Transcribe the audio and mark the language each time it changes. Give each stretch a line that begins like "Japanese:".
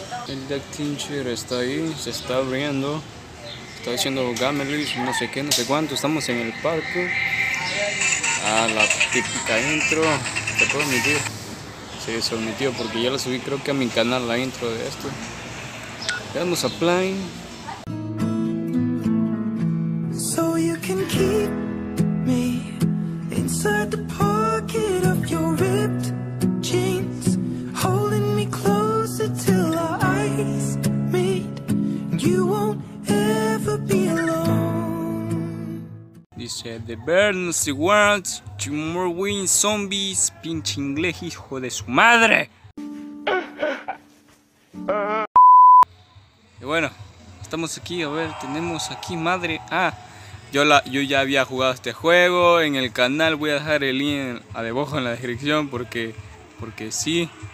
Spanish: El Duck Teacher está ahí, se está abriendo. Está haciendo gamelis, no sé qué, no sé cuánto. Estamos en el parque. Ah, la típica intro. ¿Te puedo omitir? Sí, se omitió porque ya la subí, creo que a mi canal, la intro de esto. Le damos a play.
English: So you can keep me inside the pocket of your ripped jeans, holding me closer till our eyes meet. You won't ever be alone.
Spanish: Dice
English: the birds want two more wing zombies,
Spanish: pinche inglés hijo de su madre. Y bueno, estamos aquí, a ver, tenemos aquí madre. Ah, yo ya había jugado este juego en el canal, voy a dejar el link debajo en la descripción porque sí.